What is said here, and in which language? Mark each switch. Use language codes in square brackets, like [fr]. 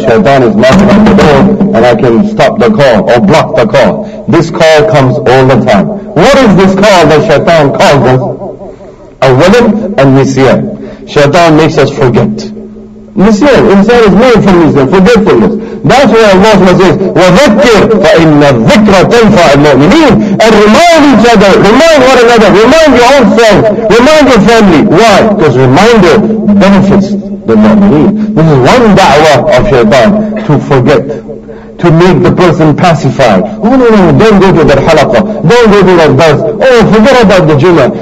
[en] Shaitan is knocking on the door and I can stop the call or block the call. This call comes all the time. What is this call that Shaitan calls us? A wadim and nisyan. Shaitan makes us forget. Nisyan, insan is made from nisyan, forgetfulness. That's why Allah says, [ar] وَذَكِّرْ فَإِنَّ الذِّكْرَ تَنْفَعَ الْمُؤْمِنِينَ. [en] And remind each other, remind one another, remind your own self, remind your family. Why? Because reminder benefits the mu'mineen. This is one da'wah of shaitan, to forget, to make the person pacified. Oh no, don't go to that halaqah, don't go to that dance. Oh, forget about the jummah.